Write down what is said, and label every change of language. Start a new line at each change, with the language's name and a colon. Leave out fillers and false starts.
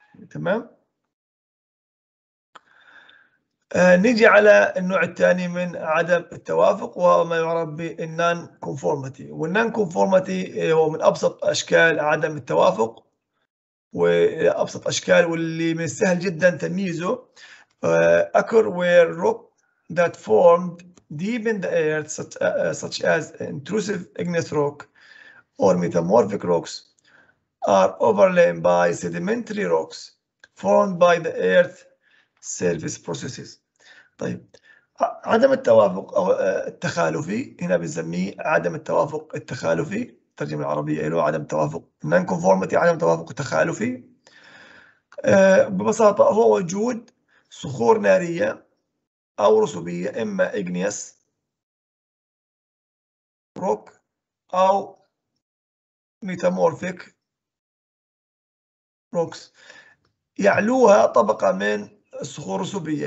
Arabic: تمام، نجي على النوع الثاني من عدم التوافق وهو ما يعرف بالنان كونفورمتي. والنان كونفورمتي هو من أبسط أشكال عدم التوافق وأبسط أشكال، واللي من السهل جدا تمييزه.
English: occur where rock that formed deep in the earth such as intrusive igneous rock or metamorphic rocks are overlain by sedimentary rocks formed by the earth surface processes.
Arabic: طيب عدم التوافق او التخالفي، هنا بنسميه عدم التوافق التخالفي، الترجمه العربيه له عدم التوافق non conformity، عدم التوافق التخالفي. ببساطه هو وجود صخور ناريه او رسوبيه، اما igneous روك او ميتامورفيك روكس يعلوها طبقه من الصخور الرسوبيه.